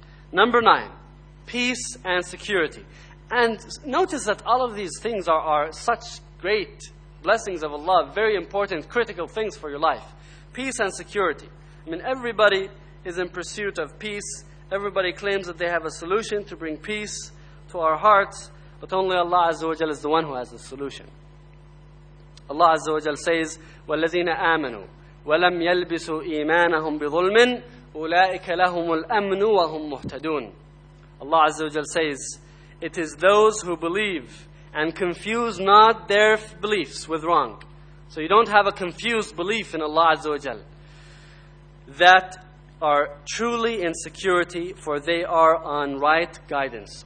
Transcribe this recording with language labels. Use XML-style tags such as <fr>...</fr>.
<en>Number nine, peace and security. And notice that all of these things are such great blessings of Allah, very important, critical things for your life. Peace and security. I mean, everybody is in pursuit of peace. Everybody claims that they have a solution to bring peace to our hearts. But only Allah Azza wa Jal is the one who has the solution.</en> <ar>Allah Azza wa Jal says, وَالَّذِينَ آمَنُوا وَلَمْ يَلْبِسُوا إِيمَانَهُمْ بِظُلْمٍ أُولَٰئِكَ لَهُمُ الْأَمْنُ وَهُمْ مُهْتَدُونَ.</ar> <en>Allah Azza wa Jal says, it is those who believe and confuse not their beliefs with wrong. So you don't have a confused belief in Allah Azza wa Jal, that are truly in security, for they are on right guidance.</en>